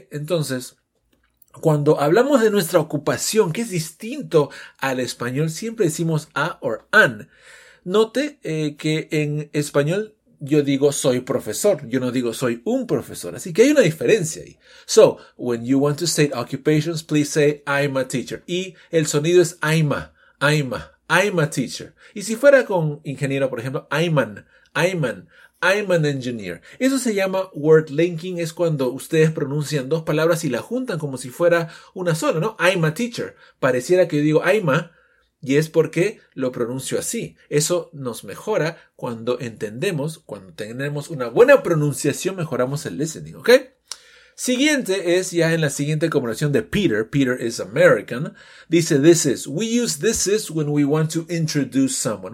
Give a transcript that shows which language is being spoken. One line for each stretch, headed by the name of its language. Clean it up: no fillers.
Spanish: Entonces, cuando hablamos de nuestra ocupación, que es distinto al español, siempre decimos a or an. Note que en español yo digo soy profesor, yo no digo soy un profesor, así que hay una diferencia ahí.
English: So, when you want to state occupations, please say I'm a teacher.
Spanish: Y el sonido es
English: I'ma, I'ma, I'm a teacher.
Spanish: Y si fuera con ingeniero, por ejemplo,
English: I'm an, I'm an. I'm an engineer.
Spanish: Eso se llama word linking. Es cuando ustedes pronuncian dos palabras y las juntan como si fuera una sola, ¿no?
English: I'm a teacher.
Spanish: Pareciera que yo digo I'm y es porque lo pronuncio así. Eso nos mejora cuando entendemos, cuando tenemos una buena pronunciación, mejoramos el listening, ¿ok? Siguiente es ya en la siguiente conversación de Peter.
English: Peter is American.
Spanish: Dice
English: this is. We use this is when we want to introduce someone.